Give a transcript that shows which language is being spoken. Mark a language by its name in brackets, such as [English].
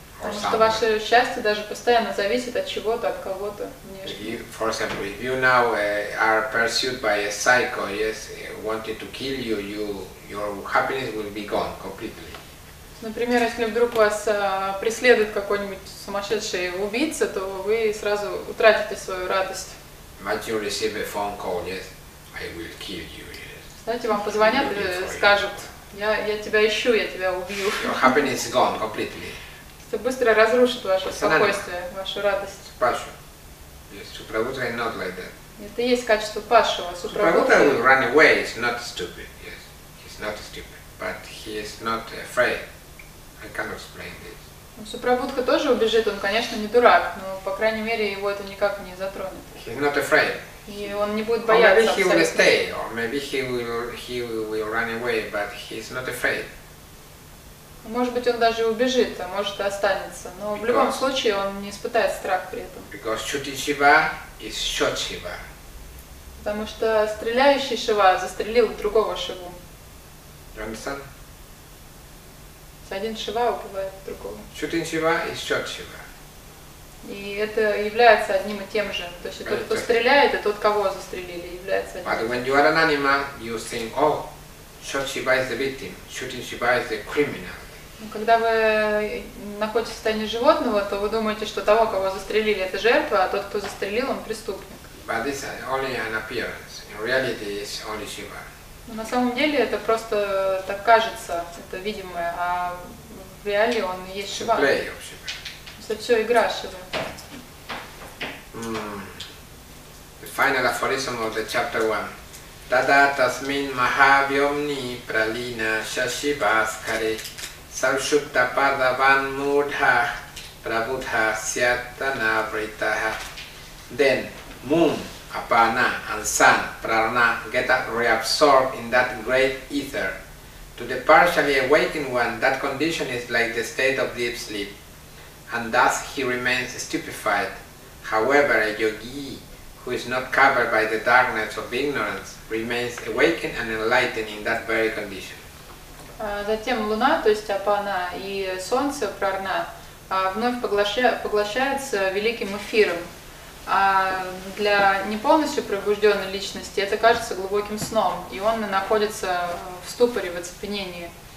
[Russian] Потому что ваше счастье даже постоянно зависит от чего-то, от кого-то внешнего. [English] For example, if you now are pursued by a psycho, yes, wanted to kill you, your happiness will be gone completely. [Russian] Например, если вдруг вас преследует какой-нибудь сумасшедший убийца, то вы сразу утратите свою радость. [English] Might you receive a phone call, yes, I will kill you, yes. [Russian] Знаете, вам позвонят и скажут, я тебя ищу, я тебя убью. [English] Your happiness is gone completely. [Russian] Это быстро разрушит ваше спокойствие, вашу радость. [English] Пашу. Yes, Супрабхута is not like that. [Russian] Это и есть качество Паши, вас [English] Супрабхута will run away, he's not stupid, yes. He's not stupid, but he is not afraid. I can't explain this. [Russian] Супрабхутха тоже убежит, он, конечно, не дурак, но, по крайней мере, его это никак не затронет. [English] He's not afraid. [Russian] И он не будет бояться. [English] Or maybe he will stay, or maybe he will run away, but he's not afraid. [Russian] Может быть, он даже убежит, а может и останется. Но в любом случае он не испытает страх при этом. [English] Because shooting Shiva is shot Shiva. [Russian] Потому что стреляющий Шива застрелил другого Шиву. [English] You understand? [Russian] Один Шива убивает другого. [English] Shooting Shiva is shot Shiva. [Russian] И это является одним и тем же. То есть тот, кто стреляет, и тот, кого застрелили, является одним. [English] But when you are an animal, you think, oh, shot Shiva is the victim, shooting Shiva is the criminal. [Russian] Когда вы находитесь в состоянии животного, то вы думаете, что того, кого застрелили, это жертва, а тот, кто застрелил, он преступник. [English] But this is only an appearance. In reality, it's only Shiva. [Russian] Но на самом деле это просто так кажется, это видимое, а в реале он и есть Шива. [English] Play of Shiva. [Russian] Это все игра Шива. [English] The final aphorism of the chapter 1. [Sanskrit] Tada tasmin mahavyomni pralina shashivaskare. Saushupta padavan mudha prabuddha syatana vritaha. [English] Then moon, apana, and sun, prana, get reabsorbed in that great ether. To the partially awakened one, that condition is like the state of deep sleep, and thus he remains stupefied. However, a yogi, who is not covered by the darkness of ignorance, remains awakened and enlightened in that very condition. [Russian] Затем луна, то есть апана, и солнце, прарна, вновь поглощаются великим эфиром. А для неполностью пробужденной личности это кажется глубоким сном, и он находится в ступоре, в оцепенении.